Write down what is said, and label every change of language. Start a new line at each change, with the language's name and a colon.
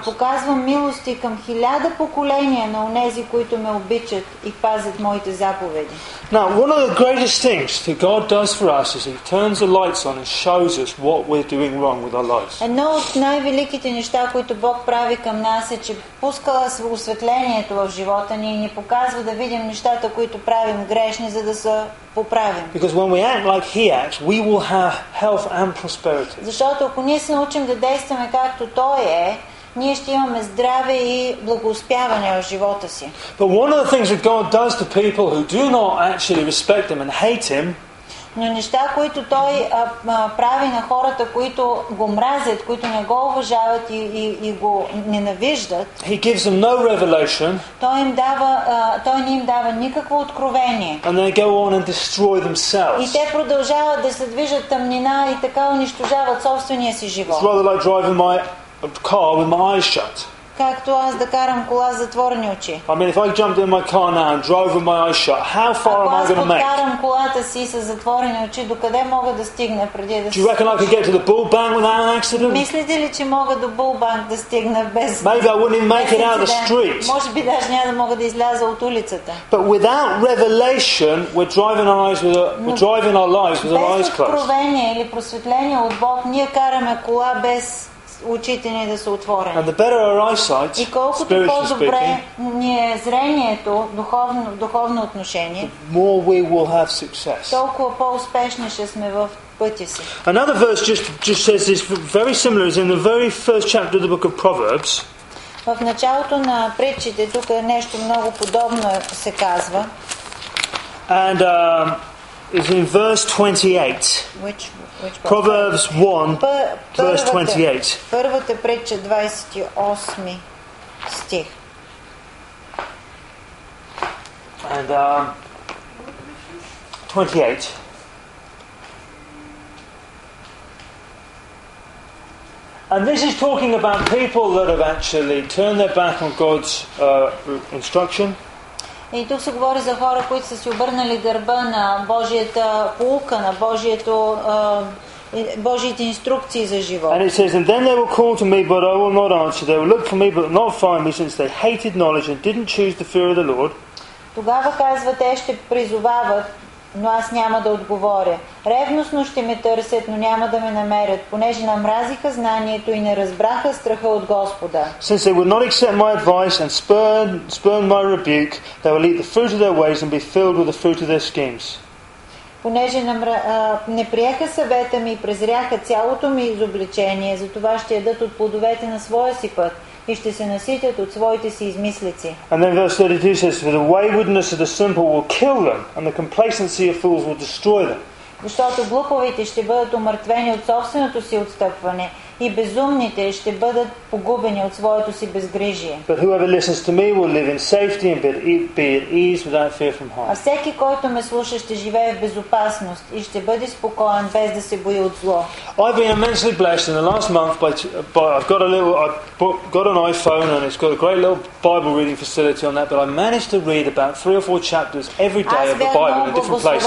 Bulgarian: показвам милости към хиляда поколения на онези, които ме обичат и пазят моите заповеди.
English: Now, one of the greatest things that God does for us is he turns the lights on and shows us what we're doing wrong with our lives.
Bulgarian: Едно от най-великите неща, които Бог прави към нас е, че пуска осветлението в живота ни и ни показва да видим нещата, които правим грешни, за да се поправим.
English: Because when we act like he acts, we will have health and prosperity.
Bulgarian: Защото ако ние се научим да действаме както той е, ние ще имаме здраве и благоуспяване в живота си.
English: But one of the things that God does to people who do not actually respect him and hate him,
Bulgarian: но неща, които той прави на хората, които го мразят, които не го уважават и го ненавиждат,
English: he gives them no revelation,
Bulgarian: той не им дава никакво откровение.
English: And they go on and destroy themselves.
Bulgarian: И те продължават да се движат тъмнина и така унищожават собствения си живот.
English: It's rather like driving my car with my eyes shut.
Bulgarian: Както аз да карам кола с затворени очи.
English: I mean, if I jumped in my car now and drove with my eyes shut, how far am I going to make?
Bulgarian: Ако аз карам колата си с затворени очи, докъде мога да стигна преди да се...
English: Do you reckon I could get to the Bull Bank without an accident?
Bulgarian: Мислите ли, че мога до Bull Bank да стигна без...
English: Maybe I wouldn't even make it out of the street.
Bulgarian: Може би даже няма да мога да изляза от улицата.
English: But without revelation, we're driving our lives with our eyes closed.
Bulgarian: Без откровение или просветление от Бог, ние караме кола без... Очите ни да са отворени.
English: And the better our eyesight,
Bulgarian: и колкото по-добре ни е зрението, духовно отношение,
English: the more we will have success.
Bulgarian: Толкова по-успешни ще сме в пътя си.
English: Another verse just says this very similar is in the very first chapter of the book of Proverbs.
Bulgarian: В началото на притчите тук нещо много подобно се казва.
English: And is in verse 28. Proverbs 1, verse 28.
Bulgarian: Първата притча, 28 стих.
English: And 28. And this is talking about people that have actually turned their back on God's instruction.
Bulgarian: И тук се говори за хора, които са си обърнали гърба на Божията поука, на Божиите инструкции за живот.
English: And it says, and then they will call to me, but I will not answer. They will look for me, but not find me, since they hated knowledge and didn't choose the fear of the Lord.
Bulgarian: Тогава казва, те ще призовават, но аз няма да отговоря. Ревностно ще ме търсят, но няма да ме намерят, понеже намразиха знанието и не разбраха страха от Господа.
English: Since they would not accept my advice and spurn my rebuke, they will eat the fruit of their ways and be filled with the fruit of their schemes.
Bulgarian: Понеже не приеха съвета ми и презряха цялото ми изобличение, затова ще ядат от плодовете на своя си път и ще се наситят от своите си измислици.
English: And then verse 32 says, for the waywardness of the simple will kill them, and the complacency of fools will destroy them.
Bulgarian: Защото глуповите ще бъдат умъртвени от собственото си отстъпване, и безумните ще бъдат погубени от своето си безгрижие.
English: But whoever listens to me will live in safety and be at ease without fear from harm.
Bulgarian: А всеки, който ме слуша, ще живее в безопасност и ще бъде спокоен, без да се бои от зло.
English: I've been immensely blessed in the last month I've got an iPhone and it's got a great little Bible reading facility on that, but I managed to read about 3 or 4 chapters every day of the Bible in different places.